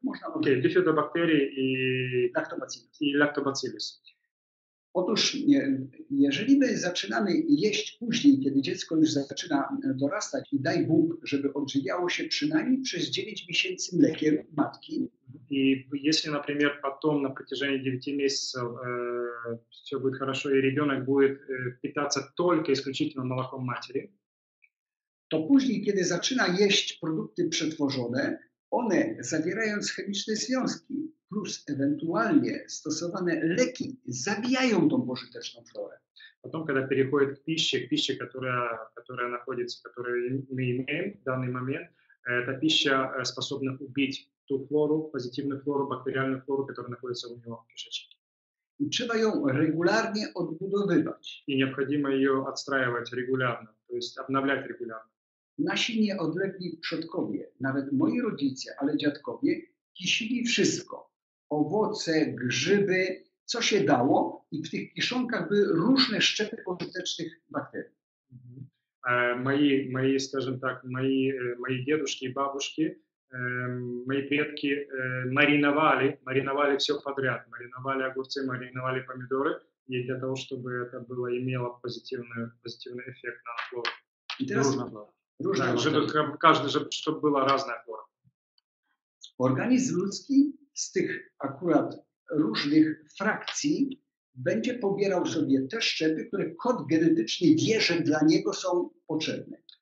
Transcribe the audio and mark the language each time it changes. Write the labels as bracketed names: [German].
[Polish] Można powiedzieć. Okej, bifidobakterii i... Laktobacillus. I laktobacillus. Otóż, jeżeli my zaczynamy jeść później, kiedy dziecko już zaczyna dorastać, i daj Bóg, żeby odżywiało się przynajmniej przez 9 miesięcy mlekiem matki. [Russian] И если, например, потом на протяжении 9 месяцев все будет хорошо, и ребенок будет питаться только исключительно молоком матери, [Polish] то później, kiedy zaczyna jeść produkty przetworzone, one, zawierając chemiczne związki, plus ewentualnie stosowane leki, zabijają tą pożyteczną florę. [Russian] Потом, когда переходит к пище, которая находится, которую мы имеем в данный момент, эта пища способна убить ту флору, позитивную флору, бактериальную флору, которая находится у него в кишечнике. [Polish] И trzeba ją regularnie odbudowywać. [Russian] И необходимо ее отстраивать регулярно, то есть обновлять регулярно. [Polish] Nasi nieodlegli przodkowie, nawet moi rodzice, ale dziadkowie, kisili wszystko. Owoce, grzyby, co się dało, i w tych kiszonkach były różne szczepy pożytecznych bakterii. [Russian] мои, скажем так, мои дедушки и бабушки, мои предки мариновали все подряд, мариновали огурцы, мариновали помидоры, и для того, чтобы это было, имело позитивный эффект на флору. Дружно было. Да, каждый же, чтобы была разная флора. [Polish] Organizm ludzki z tych akurat różnych frakcji będzie pobierał sobie te szczepy, które kod genetyczny wie, że dla niego są potrzebne.